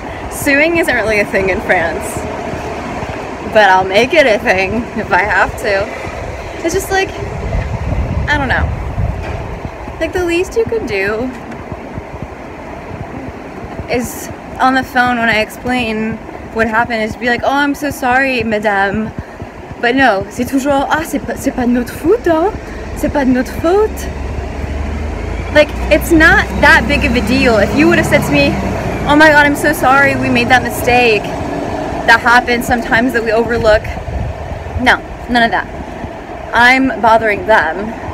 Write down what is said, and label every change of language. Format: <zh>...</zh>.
<en>Suing isn't really a thing in France. But I'll make it a thing if I have to. It's just like, I don't know. Like, the least you can do is on the phone when I explain what happened is be like, oh, I'm so sorry, madame. But no,</en> <fr>c'est toujours, ah, c'est pas notre faute, hein? C'est pas notre faute.</fr> <en>Like, it's not that big of a deal. If you would have said to me, oh my God, I'm so sorry, we made that mistake. That happens sometimes that we overlook. No, none of that. I'm bothering them.</en>